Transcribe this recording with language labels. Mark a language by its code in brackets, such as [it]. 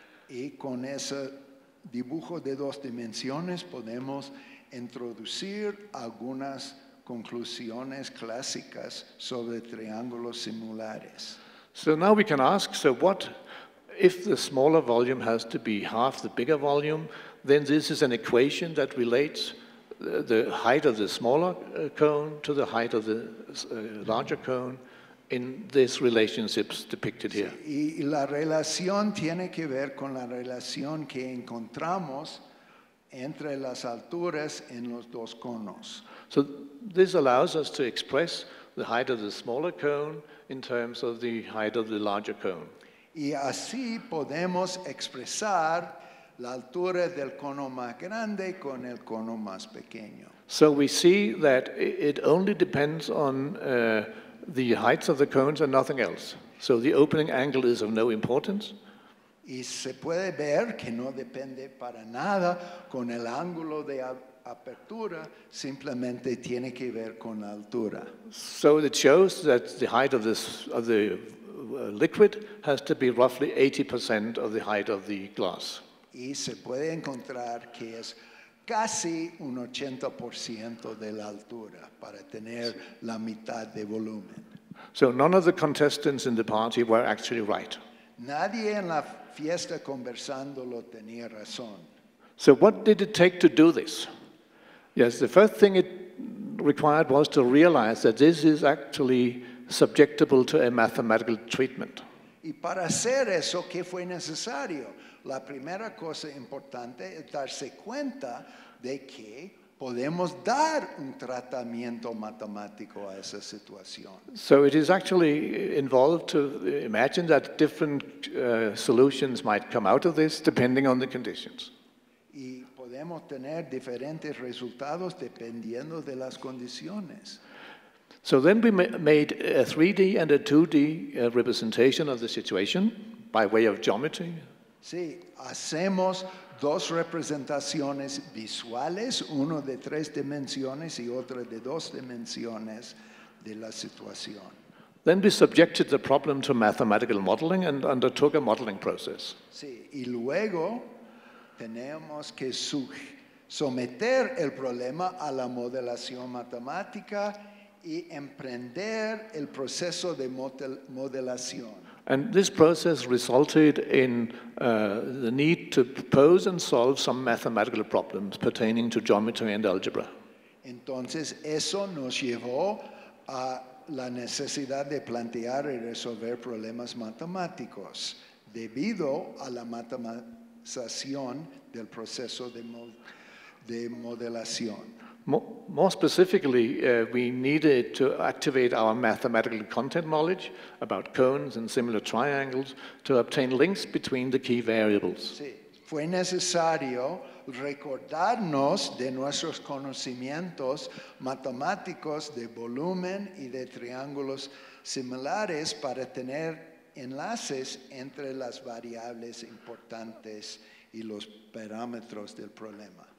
[es] Y con ese dibujo de dos dimensiones podemos introducir algunas conclusiones clásicas sobre triángulos similares. [en] So now we can ask, so what if the smaller volume has to be half the bigger volume? Then this is an equation that relates the height of the smaller cone to the height of the larger cone in these relationships depicted here. [es] Sí, y la relación tiene que ver con la relación que encontramos entre las alturas en los dos conos. [en] So this allows us to express the height of the smaller cone in terms of the height of the larger cone. [es] Y así podemos expresar la altura del cono más grande con el cono más pequeño. [en] So we see that it only depends on the heights of the cones and nothing else. So the opening angle is of no importance. [es] y se puede ver que no depende para nada con el ángulo de apertura, simplemente tiene que ver con la altura. [en] So it shows that the height of this of the liquid has to be roughly 80% of the height of the glass. [es] Y se puede encontrar que es casi un 80% de la altura para tener la mitad de volumen. [en] So none of the contestants in the party were actually right. [es] Nadie en la fiesta conversándolo tenía razón. [en] So what did it take to do this? Yes, the first thing it required was to realize that this is actually subjectable to a mathematical treatment. [es] Y para hacer eso, ¿qué fue necesario? La primera cosa importante es darse cuenta de que podemos dar un tratamiento matemático a esa situación. [en] So it is actually involved to imagine that different solutions might come out of this depending on the conditions. [es] Y podemos tener diferentes resultados dependiendo de las condiciones. [en] So then we made a 3D and a 2D representation of the situation by way of geometry. [es] Sí, hacemos dos representaciones visuales, uno de tres dimensiones y otro de dos dimensiones de la situación. [en] Then we subjected the problem to mathematical modeling and undertook a modeling process. [es] Sí, y luego tenemos que someter el problema a la modelación matemática y emprender el proceso de modelación. [en] And this process resulted in the need to pose and solve some mathematical problems pertaining to geometry and algebra. [es] Entonces, eso nos llevó a la necesidad de plantear y resolver problemas matemáticos debido a la matematización del proceso de modelación. [en] More specifically, we needed to activate our mathematical content knowledge about cones and similar triangles to obtain links between the key variables. [es] Sí, fue necesario recordarnos de nuestros conocimientos matemáticos de volumen y de triángulos similares para tener enlaces entre las variables importantes y los parámetros del problema.